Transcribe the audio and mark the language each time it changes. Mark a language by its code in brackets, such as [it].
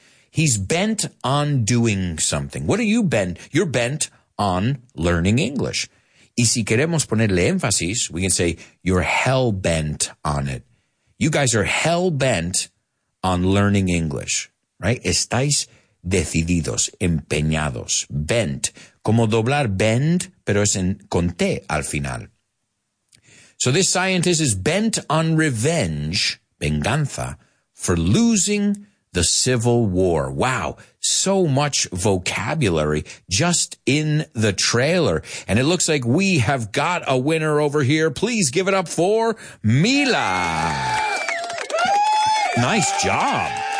[en] He's bent on doing something. What are you bent? You're bent on learning English. [es] Y si queremos ponerle énfasis, [en] we can say you're hell-bent on it. You guys are hell-bent on learning English, right? [es] Estáis decididos, empeñados, bent. Como doblar bend, pero es en, con T al final. [en] So this scientist is bent on revenge, venganza, for losing the Civil War. Wow, so much vocabulary just in the trailer. And it looks like we have got a winner over here. Please give it up for Mila. Nice job.